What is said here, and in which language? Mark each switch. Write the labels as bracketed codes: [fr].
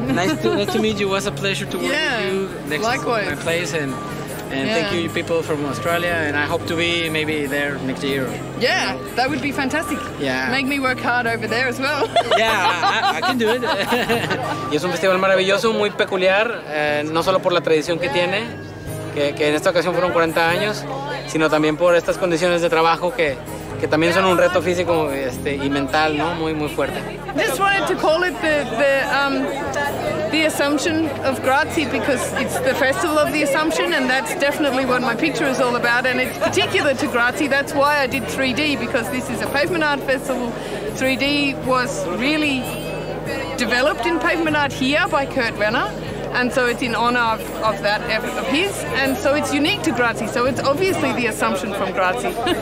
[en] Nice to meet you. It was a pleasure to work with you. Next likewise. My place and thank you people from Australia, and I hope to be maybe there next year. Yeah, that would be fantastic. Yeah. Make me work hard over there as well. Yeah, I can do it. [es] Y es un festival maravilloso, muy peculiar, no solo por la tradición que tiene, que en esta ocasión fueron 40 años, sino también por estas condiciones de trabajo que que también son un reto físico y mental, ¿no? Muy, muy fuerte. [en] Just wanted to call it the Assumption of Grazie, because it's the festival of the Assumption, and that's definitely what my picture is all about, and it's particular to Grazie. That's why I did 3D, because this is a pavement art festival. 3D was really developed in pavement art here by Kurt Wenner, and so it's in honor of that effort of his, and so it's unique to Grazie, so it's obviously the Assumption from Grazie.